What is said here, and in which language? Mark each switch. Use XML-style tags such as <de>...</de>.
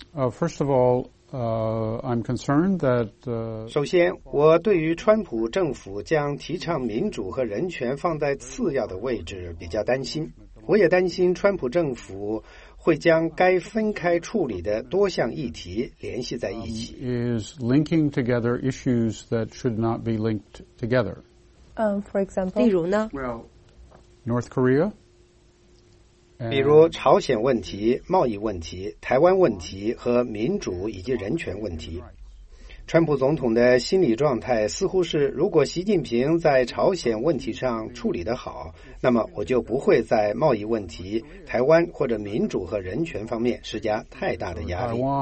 <en>First of all, I'm concerned that.</en> <zh>首先，我对于川普政府将提倡民主和人权放在次要的位置比较担心。我也担心川普政府会将该分开处理的多项议题联系在一起。</zh> <en>Is linking together issues that should not be linked together. For example.</en> <zh>例如呢</zh> <en>？North Korea.</en> <zh>比如朝鲜问题、贸易问题、台湾问题和民主以及人权问题。川普总统的心理状态似乎是，如果习近平在朝鲜问题上处理得好，那么我就不会在贸易问题、台湾或者民主和人权方面施加太大的压力。</zh>